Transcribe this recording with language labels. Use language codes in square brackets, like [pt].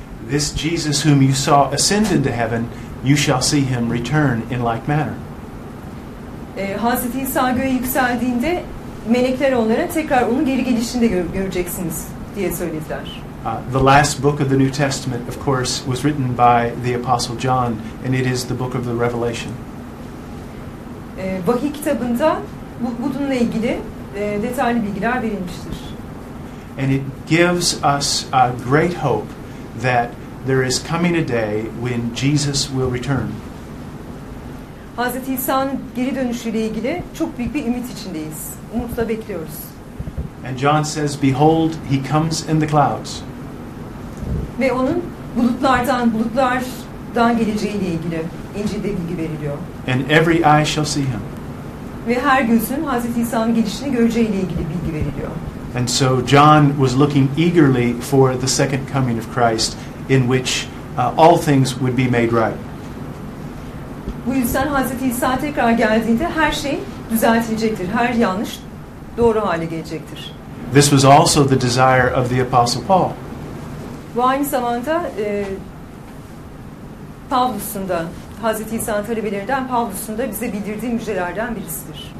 [en] This Jesus whom you saw ascend into heaven, you shall see him return in like manner. [tr] Hazreti İsa göğe yükseldiğinde melekler onlara tekrar onun geri gelişinde göreceksiniz diye söylediler. [en] The last book of the New Testament, of course, was written by the Apostle John, and it is the book of the Revelation. [tr] Vahiy kitabında bununla ilgili detaylı bilgiler verilmiştir. [en] And it gives us a great hope that there is coming a day when Jesus will return. [tr] Hazreti İsa'nın geri dönüşüyle ilgili çok büyük bir ümit içindeyiz. Umutla bekliyoruz. [en] And John says, behold, he comes in the clouds. [tr] Ve onun bulutlardan geleceğiyle ilgili İncil'de bilgi veriliyor. [en] And every eye shall see him. [tr] Ve her gözün Hazreti İsa'nın gelişini göreceğiyle ilgili bilgi veriliyor. [en] And so John was looking eagerly for the second coming of Christ in which all things would be made right. [tr] Bu yüzden Hazreti İsa tekrar geldiğinde her şey düzeltilecektir. Her yanlış doğru hale gelecektir. [en] This was also the desire of the Apostle Paul. [tr] Bu aynı zamanda Pavlus'un da, Hazreti İsa'nın talebelerinden Pavlus'un da bize bildirdiği müjdelerden birisidir.